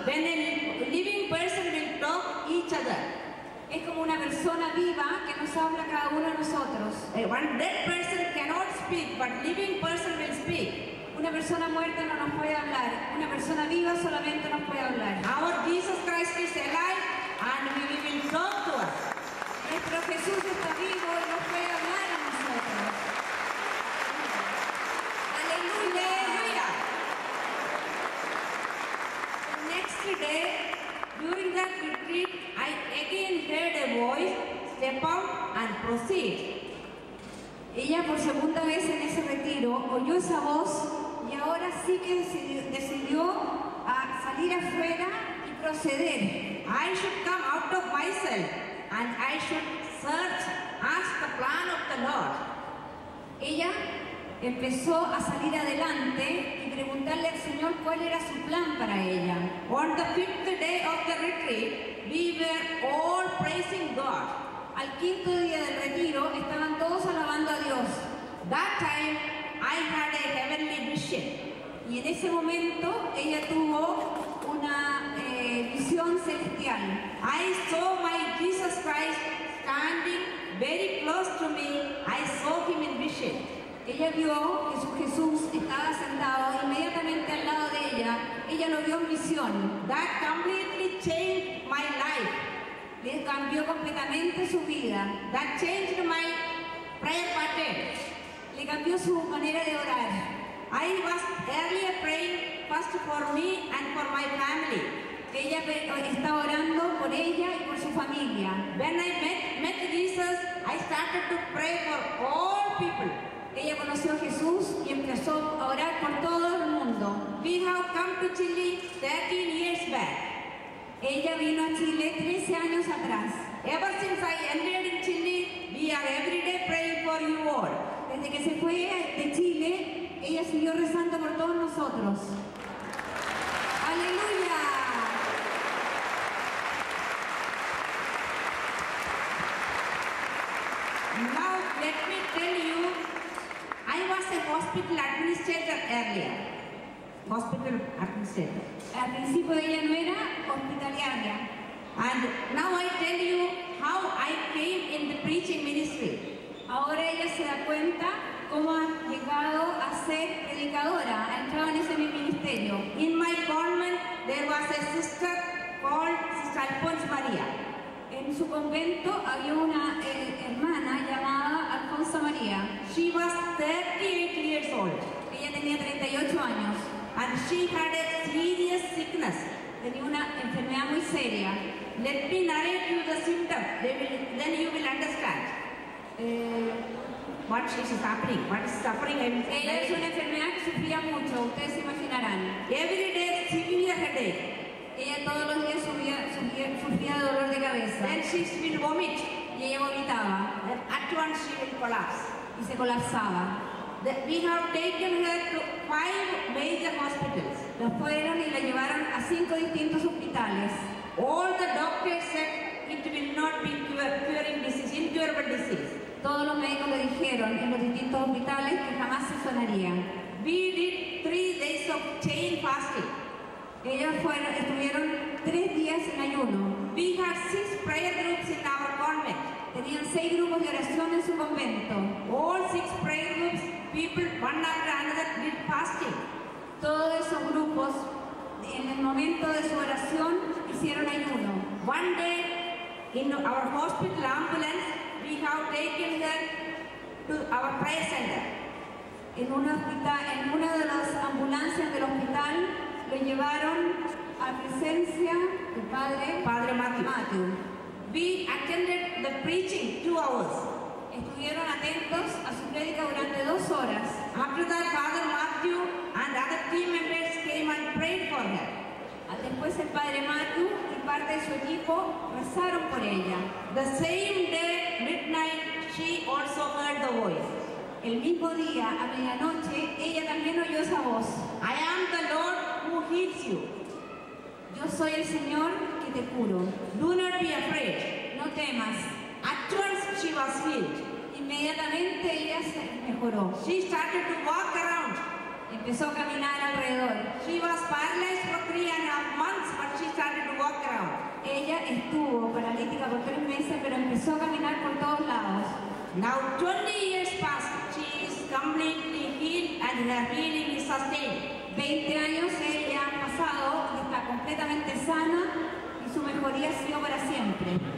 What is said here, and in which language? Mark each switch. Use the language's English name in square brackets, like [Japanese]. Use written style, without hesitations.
[English] Then the living person will talk each other. [Spanish] Es como una persona viva que nos habla cada uno de nosotros. [English] One dead person cannot speak, but living person will speak. [Spanish] Una persona muerta no nos puede hablar. Una persona viva solamente nos puede hablar. [English] Our Jesus Christ is alive and we will talk to us. [Spanish] Nuestro Jesús está vivo y nos puede hablar a nosotros. Aleluya. Aleluya. [English] The next day, during that retreat, I again heard a voice, step out and proceed. [Spanish] Ella por segunda vez en ese retiro oyó esa voz y ahora sí que decidió a salir afuera y proceder. [English] I should come out of myself and I should search, ask the plan of the Lord. [Spanish] Ella empezó a salir adelante y preguntarle al Señor cuál era su plan para ella. [English] On the fifth day of the retreat, we were all praising God. [Spanish] Al quinto día del retiro, estaban todos alabando a Dios. [English] That time, I had a heavenly vision. [Spanish] Y en ese momento, ella tuvo una visión celestial. [English] I saw my Jesus Christ standing very close to me. I saw him in vision. [Spanish] Ella vio que su Jesús estaba sentado inmediatamente al lado de ella. Ella lo vio en visión. [English] That completely changed my life. [Spanish] Le cambió completamente su vida. [English] That changed my prayer pattern. [Spanish] Le cambió su manera de orar. [English] I was earlier praying first for me and for my family. [Spanish] Ella estaba orando por ella y por su familia. [English] When I met Jesus, I started to pray for all people. [Spanish] Ella conoció a Jesús y empezó a orar por todo el mundo. [English] We have come to Chile 13 years back. [Spanish] Ella vino a Chile 13 años atrás. [English] Ever since I entered in Chile, we are every day praying for you all. [Spanish] Desde que se fue de Chile, ella siguió rezando por todos nosotros. ¡Aleluya! [English] Now, let me tell you, I was a hospital administrator earlier. Hospital administrator. [Spanish] Al principio ella no era hospitalaria. [English] And now I tell you how I came in the preaching ministry. [Spanish] Ahora ella se da cuenta cómo ha llegado a ser predicadora, ha entrado en ese ministerio. [English] In my convent, there was a sister called Sister Alphonse Maria. [Spanish] En su convento había una hermana llamada Alfonso María. [English] She was 38 years old. [Spanish] Ella tenía 38 años. [English] And she had a serious sickness. [Spanish] Tenía una enfermedad muy seria. [English] Let me narrate you the symptoms. Then you will understand. What is happening? What is suffering? [Spanish] Ella es una enfermedad que sufría mucho. Ustedes se imaginarán. [English] Every day, severe headache. [Spanish] Ella todos los días sufría dolor de cabeza. [English] Then she will vomit. [Spanish] Y ella vomitaba. [English] At once she will collapse. [Spanish] Y se colapsaba. [English] We have taken her to 5 major hospitals. [Spanish] La fueron y la llevaron a 5 distintos hospitales. [English] All the doctors said it will not be curing disease, incurable disease. [Spanish] Todos los médicos le dijeron en los distintos hospitales que jamás se sanaría. [English] We did 3 days of chain fasting. [Spanish] Ellos estuvieron 3 días en ayuno. [English] We had 6 prayer groups in our convent. [Spanish] Tenían 6 grupos de oración en su convento. [English] All 6 prayer groups, people one after another did fasting. [Spanish] Todos esos grupos, en el momento de su oración, hicieron ayuno. [English] One day, in our hospital ambulance, we have taken her to our prayer center. [Spanish] En una de las ambulancias del hospital, le llevaron a presencia del Padre Matthew. [English] We attended the preaching 2 hours. [Spanish] Estuvieron atentos a su prédica durante 2 horas. [English] After that, Father Matthew and other team members came and prayed for her. [Spanish] Después el Padre Matthew y parte de su equipo rezaron por ella. [English] The same day, midnight, she also heard the voice. [Spanish] El mismo día, a medianoche, ella también oyó esa voz. [English] I am the Lord. Who heals you? [Spanish] Yo soy el Señor que te curo. [English] Do not be afraid. [Spanish] No temas. [English] At once she was healed. [Spanish] Inmediatamente ella se mejoró. [English] She started to walk around. [Spanish] Empezó a caminar alrededor. [English] She was paralyzed for 3 months, but she started to walk around. [Spanish] Ella estuvo paralítica por tres meses, pero empezó a caminar por todos lados. [English] Now 20 years passed. She is completely healed and her healing is sustained. [Spanish] 20 años ella ha pasado y está completamente sana y su mejoría ha sido para siempre.